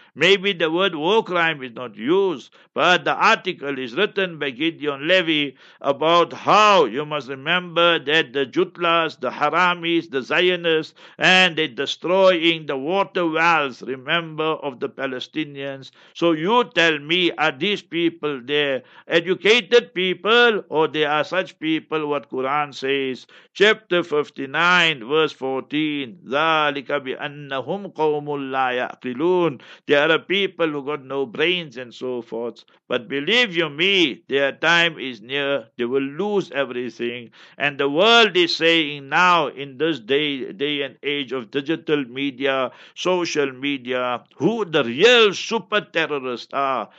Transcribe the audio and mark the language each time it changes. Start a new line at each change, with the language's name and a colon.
English: Maybe the word war crime is not used, but the article is written by Gideon Levy about how, you must remember, that the Jutlas, the Haramis, the Zionists, and they're destroying the water wells, remember, of the Palestinians. So you tell me, are these people there educated people, or they are such people what Quran says? Chapter 59, verse 14,
Arabic: ذَلِكَ بِأَنَّهُمْ قَوْمٌ لَا يَعْقِلُونَ.
English: They are a people who got no brains and so forth. But believe you me, their time is near. They will lose everything. And the world is saying now, in this day and age of digital media, social media, who the real super terrorists are.